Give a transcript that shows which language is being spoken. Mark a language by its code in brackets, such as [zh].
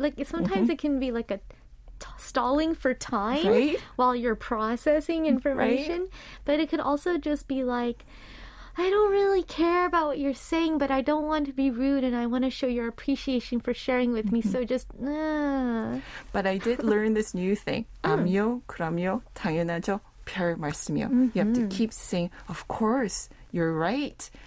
[en] Sometimes mm-hmm. it can be like a stalling for time right? while you're processing information, right? But it could also just be like, I don't really care about what you're saying, but I don't want to be rude, and I want to show your appreciation for sharing with me. Mm-hmm. So just, But I did learn this new thing. [ko] 아니요, 그럼요, 당연하죠, 별 말씀이요. [en] You have to keep saying, of course, you're right.